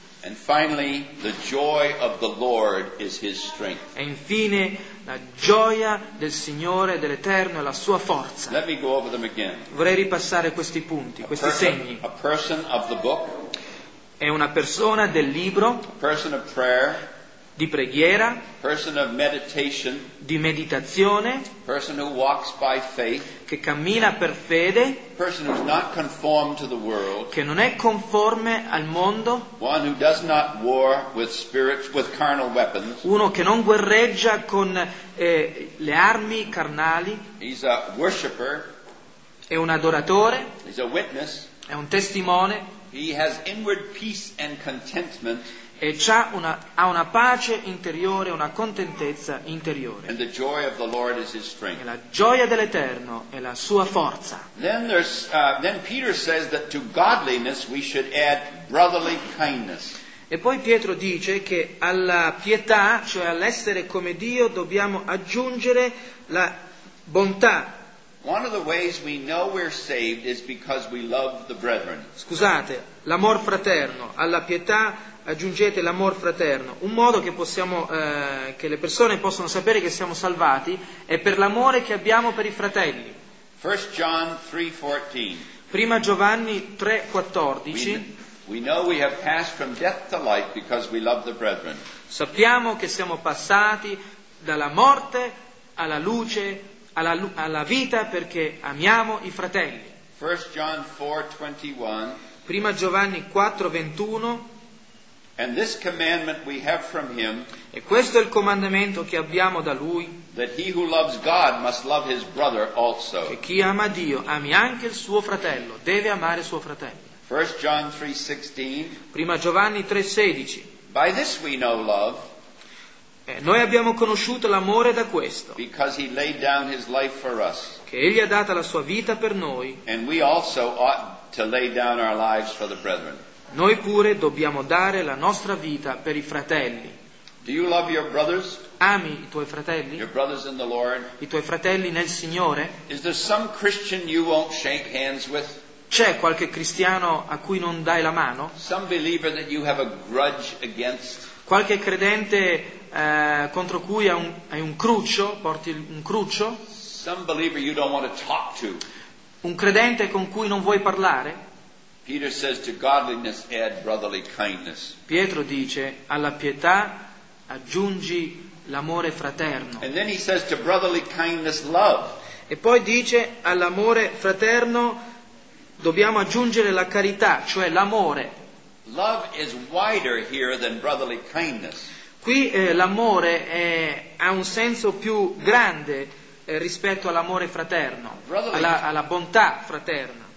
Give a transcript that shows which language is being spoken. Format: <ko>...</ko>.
<en>And finally, the joy of the Lord is his strength.</en> <it>E infine la gioia del Signore dell'Eterno è la sua forza.</it> <en>Let me go over them again.</en> <it>Vorrei ripassare questi punti, questi segni.</it> <en>A person of the book.</en> <it>È una persona del libro.</it> <en>A person of prayer.</en> <it>Di preghiera.</it> <en>Person of meditation.</en> <it>Di meditazione.</it> <en>Person who walks by faith.</en> <it>Che cammina per fede.</it> <en>Person who is not conformed to the world.</en> <it>Che non è conforme al mondo.</it> <en>One who does not war with spirits, with carnal weapons.</en> <it>Uno che non guerreggia con le armi carnali.</it> <en>He's a worshipper.</en> <it>È un adoratore.</it> <en>He's a witness.</en> <it>È un testimone.</it> <en>He has inward peace and contentment.</en> <it>E ha una pace interiore, una contentezza interiore.</it> <en>And the joy of the Lord is his strength.</en> <it>E la gioia dell'Eterno è la sua forza.</it> <en>Then Peter says that to godliness we should add brotherly kindness.</en> <it>E poi Pietro dice che alla pietà, cioè all'essere come Dio, dobbiamo aggiungere la bontà.</it> <en>One of the ways we know we're saved is because we love the brethren.</en> <it>Scusate, l'amor fraterno, alla pietà aggiungete l'amor fraterno. Un modo che possiamo che le persone possono sapere che siamo salvati è per l'amore che abbiamo per i fratelli.</it> <en>1 John 3:14.</en> <it>Prima Giovanni 3:14.</it> <en>We know we have passed from death to life because we love the brethren.</en> <it>Sappiamo che siamo passati dalla morte alla luce, alla vita, perché amiamo i fratelli.</it> <en>1 John 4:21.</en> <it>Prima Giovanni 4:21.</it> <en>And this commandment we have from him,</en> <it>e questo è il comandamento che abbiamo da lui,</it> <en>that he who loves God must love his brother also.</en> <it>Che chi ama Dio ami anche il suo fratello, deve amare suo fratello.</it> <en>1 John 3:16.</en> <it>Prima Giovanni 3:16.</it> <en>By this we know love.</en> <it>Noi abbiamo conosciuto l'amore da questo.</it> <en>Because he laid down his life for us.</en> <it>Che egli ha data la sua vita per noi.</it> <en>And we also ought to lay down our lives for the brethren.</en> <it>Noi pure dobbiamo dare la nostra vita per i fratelli.</it> <en>Do you love your brothers?</en> <it>Ami i tuoi fratelli?</it> <en>Your brothers in the Lord?</en> <it>I tuoi fratelli nel Signore?</it> <en>Is there some Christian you won't shake hands with?</en> <it>C'è qualche cristiano a cui non dai la mano?</it> <en>Some believer that you have a grudge against?</en> <it>Qualche credente contro cui hai un cruccio, porti un cruccio?</it> <en>Some believer you don't want to talk to?</en> <it>Un credente con cui non vuoi parlare?</it> <en>Peter says to godliness add brotherly kindness.</en> <it>Pietro dice alla pietà aggiungi l'amore fraterno.</it> <en>And then he says to brotherly kindness love.</en> <it>E poi dice all'amore fraterno dobbiamo aggiungere la carità, cioè l'amore.</it> <en>Love is wider here than brotherly kindness.</en> <it>Qui l'amore ha un senso più grande rispetto all'amore fraterno, alla bontà fraterna.</it>